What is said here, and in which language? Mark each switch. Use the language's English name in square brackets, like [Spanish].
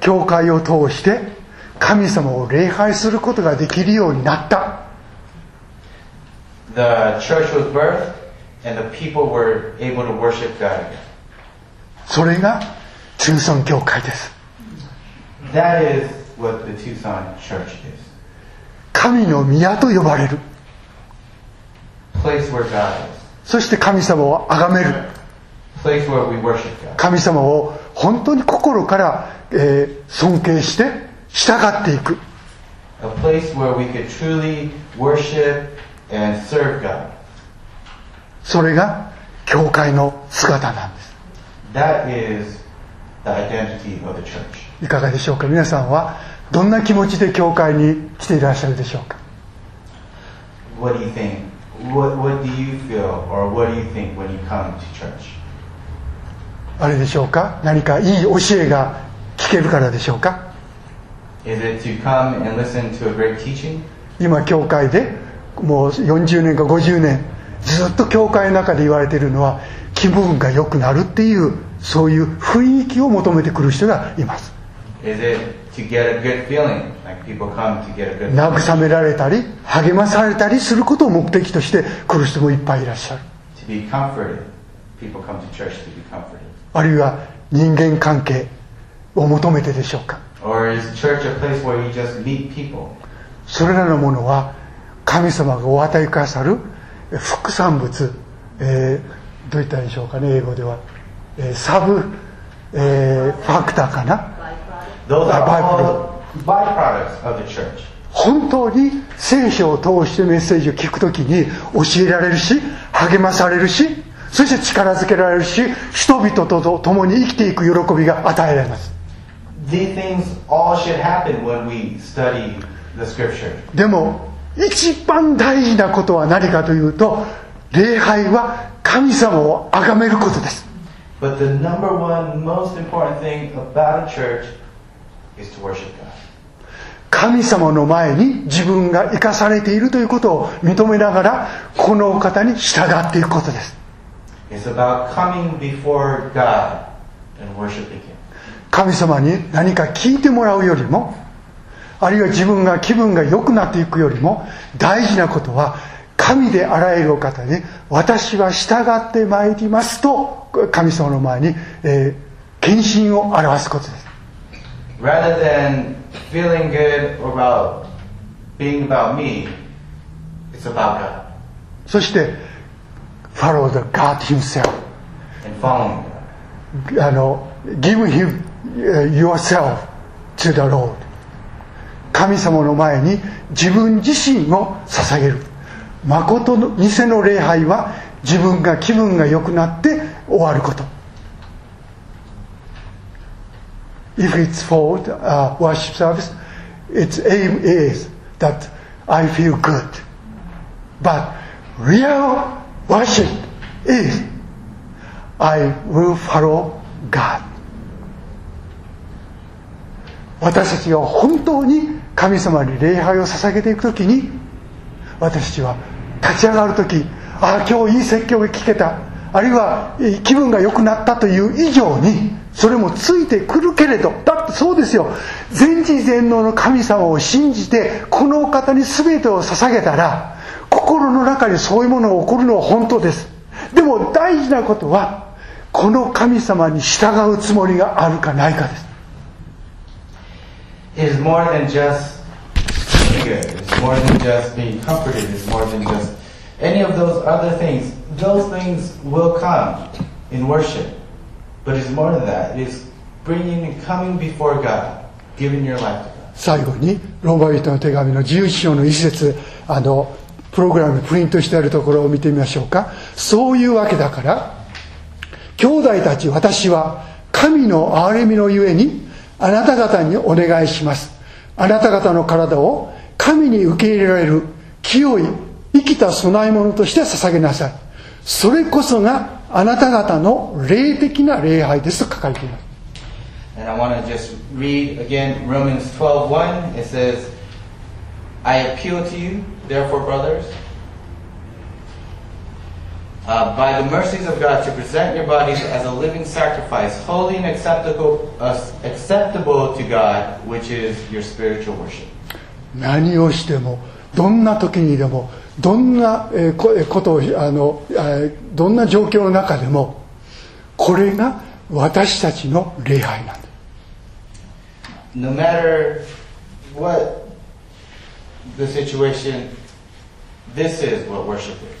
[Japanese] 教会を通して神様を礼拝することができるようになった。 [English] The church was birthed and the people were able to worship God again. [Japanese] それがチュンソン教会です。 [English] That isWhat the Tucson Church is. [Japanese] 神の宮と呼ばれる。 [English] Place where God is. [Japanese] そして神様を崇める。 [English] Place where we worship God. [Japanese] 神様を本当に心から、尊敬して従っていく。 [English] A place where we could truly worship and serve God. [Japanese] それが教会の姿なんです。 [English] That is the identity of the church. [Japanese] いかがでしょうか。皆さんはどんな気持ちで教会に来ていらっしゃるでしょうか。 [English] What do you think? What do you feel or what do you think when you come to church? [Japanese] あれでしょうか。何かいい教えが聞けるからでしょうか。 [English] Is it to come and listen to a great teaching? [Japanese] 今教会でもう40年か50年ずっと教会の中で言われているのは気分が良くなるっていうそういう雰囲気を求めてくる人がいます。 [English] Is it to get a good feeling? Like people come to get a good feeling. [Japanese] 慰められたり励まされたりすることを目的として来る人もいっぱいいらっしゃる。 [English] To be comforted. People come to church to be comforted. [Japanese] あるいは人間関係を求めてでしょうか。 [English] Or is church a place where you just meet people? [Japanese] それらのものは神様がお与えくださる副産物、どういったでしょうかね、英語では、サブ、ファクターかな。 [English] Those are all byproducts of the church. [Japanese] 本当に聖書を通してメッセージを聞くときに教えられるし励まされるしそして力づけられるし人々と共に生きていく喜びが与えられます。 [English] These things all should happen when we study the scripture. [Japanese] でも一番大事なことは何かというと礼拝は神様を崇めることです。 [English] But the number one most important thing about a churchIs to worship God. [Japanese] 神様の前に自分が生かされているということを認めながらこの方に従っていくことです。 [English] It's about coming before God and worshiping Him. [Japanese] 神様に何か聞いてもらうよりもあるいは自分が気分が良くなっていくよりも大事なことは神であらゆる方に私は従ってまいりますと神様の前に、献身を表すことです。 [English] Rather than feeling good about being about me, it's about God. [Japanese] そして [English] follow the God himself. And following God. Give him yourself to the Lord. [Japanese] 神様の前に自分自身を捧げる。誠の偽の礼拝は自分が気分が良くなって終わること。 [English] If it's for worship service, its aim is that I feel good. But real worship is I will follow God. [Japanese] 私たちが本当に神様に礼拝を捧げていくときに、私たちは立ち上がるとき、ああ今日いい説教が聞けた、あるいは気分が良くなったという以上に。それもついてくるけれど、だってそうですよ、全知全能の神様を信じてこの方に全てを捧げたら心の中にそういうものが起こるのは本当です。でも大事なことはこの神様に従うつもりがあるかないかです。 [English] It's more than just feeling good. It's more than just being comforted. It's more than just any of those other things. Those things will come in worship. But it's more than that. It's bringing and coming before God, giving your life to God. [Japanese] 最後にローマ人の手紙の11章の1節、あのプログラムプリントしてあるところを見てみましょうか。そういうわけだから、兄弟たち、私は神の憐れみのゆえにあなた方にお願いします。あなた方の体を神に受け入れられる清い生きた供え物として捧げなさい。それこそがあなた方の霊的な礼拝ですと書かれています。 [English] And I want to just read again Romans 12:1. It says, I appeal to you, therefore, brothers, by the mercies of God, to present your bodies as a living sacrifice, holy and acceptable to God, which is your spiritual worship. [Japanese] 何をしても、どんな時にでも、どんなことを、どんな状況の中でも、これが私たちの礼拝なんだ。 [English] No matter what the situation, this is what worship is.